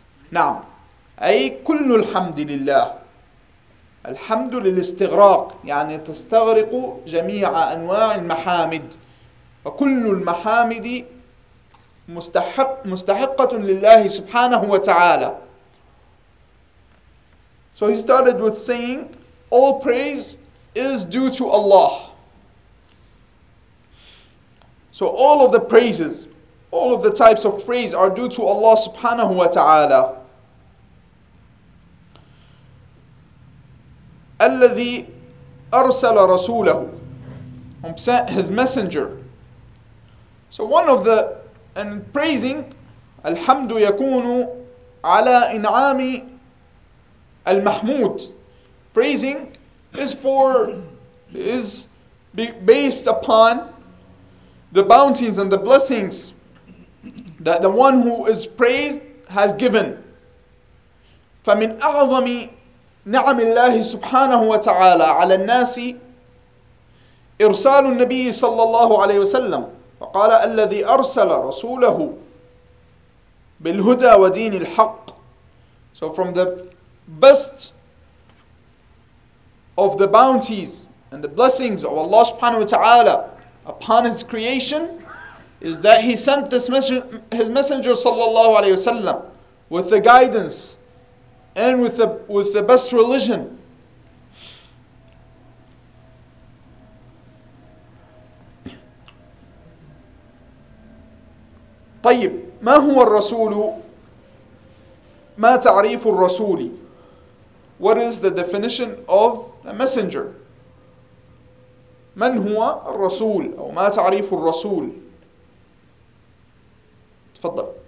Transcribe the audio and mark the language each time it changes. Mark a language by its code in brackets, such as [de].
[ar] نعم، أي كل الحمد لله. الحمد للاستغراق، يعني تستغرق جميع أنواع المحامد، فكل المحامد مستحقة لله سبحانه وتعالى. [en] So he started with saying, all praise is due to Allah. So all of the praises, all of the types of praise are due to Allah subhanahu wa ta'ala. [ar] الَّذِي أَرْسَلَ رَسُولَهُ Whom sent his messenger. [en] So one of the, in praising, الحمد يكون على إنعام المحمود. Praising is for, is based upon the bounties and the blessings that the one who is praised has given. [ar] فمن أعظم نعم الله سبحانه وتعالى على الناس إرسال النبي صلى الله عليه وسلم وقال الذي أرسل رسوله بالهدى ودين الحق. [en] So from the best of the bounties and the blessings of Allah subhanahu wa ta'ala upon his creation is that he sent this messenger, his messenger صلى الله عليه وسلم with the guidance and with the best religion. [ar] طيب ما هو الرسول ما تعريف الرسول. [en] What is the definition of a messenger? [ar] من هو الرسول أو ما تعريف الرسول. تفضل.